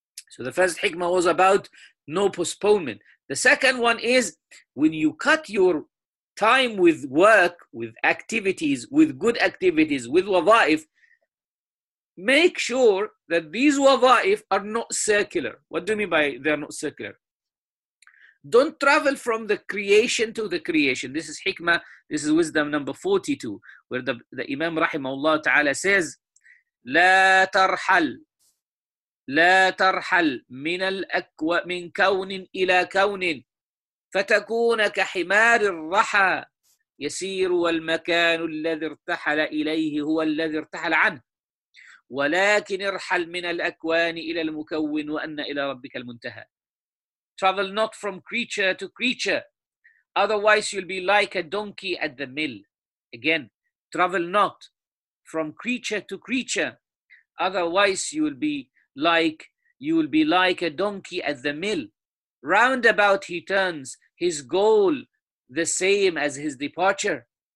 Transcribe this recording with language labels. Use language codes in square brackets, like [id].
[en] So the first hikmah was about no postponement. The second one is when you cut your time with work, with activities, with good activities, with wadaif, make sure that these wadaif are not circular. What do you mean by they're not circular? Don't travel from the creation to the creation. This is hikmah. This is wisdom number 42, where the Imam rahimahullah ta'ala says, [ar] لا ترحل من الأكوى من كون إلى كون فتكون كحمار الرحى يسير والمكان الذي ارتحل إليه هو الذي ارتحل عنه ولكن ارحل من الأكوان إلى المكون وأن إلى ربك المنتهى. [en] Travel not from creature to creature. Otherwise, you'll be like a donkey at the mill. Again, travel not from creature to creature. Otherwise, you will be like a donkey at the mill. Roundabout he turns, his goal the same as his departure.